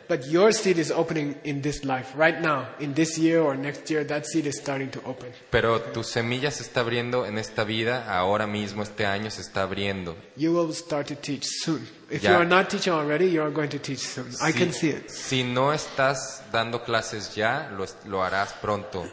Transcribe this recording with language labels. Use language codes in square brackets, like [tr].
[en] But your seed is opening in this life, right now, in this year or next year. That seed is starting to open. [es] Pero tu semilla se está abriendo en esta vida, ahora mismo, este año se está abriendo. [en] You will start to teach soon. If you are not teaching already, you are going to teach soon. I can see it. [es] Si no estás dando clases ya, lo harás pronto.